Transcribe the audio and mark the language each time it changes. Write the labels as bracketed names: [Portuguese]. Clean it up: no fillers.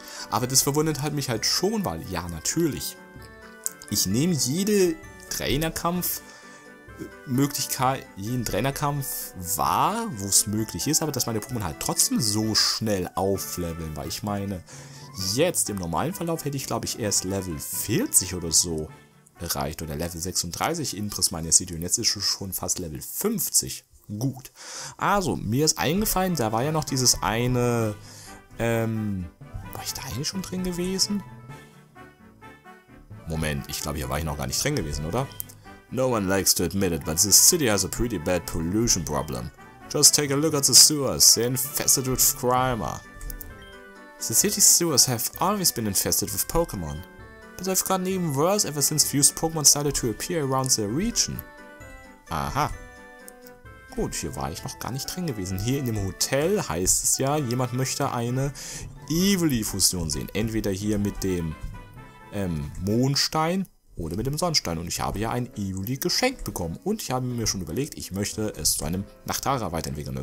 [German] Aber das verwundert halt mich halt schon, weil, ja, natürlich. Ich nehme jede Trainerkampfmöglichkeit, jeden Trainerkampf wahr, wo es möglich ist, aber dass meine Pokémon halt trotzdem so schnell aufleveln, weil ich meine, jetzt im normalen Verlauf hätte ich glaube ich erst Level 40 oder so erreicht oder Level 36 in Prismania City und jetzt ist es schon fast Level 50. Gut. Also, mir ist eingefallen, da war ja noch dieses eine, war ich da eigentlich schon drin gewesen? Moment, ich glaube, hier war ich noch gar nicht drin gewesen, oder? [English] No one likes to admit it, but this city has a pretty bad pollution problem. Just take a look at the sewers. They're infested with grime. The city's sewers have always been infested with Pokémon. But they've gotten even worse ever since fused Pokémon started to appear around their region. Aha. [German] Gut, hier war ich noch gar nicht drin gewesen. Hier in dem Hotel heißt es ja, jemand möchte eine Evoli-Fusion sehen. Entweder hier mit dem Mondstein oder mit dem Sonnenstein. Und ich habe ja ein Evoli geschenkt bekommen. Und ich habe mir schon überlegt, ich möchte es zu einem Nachtara weiterentwickeln.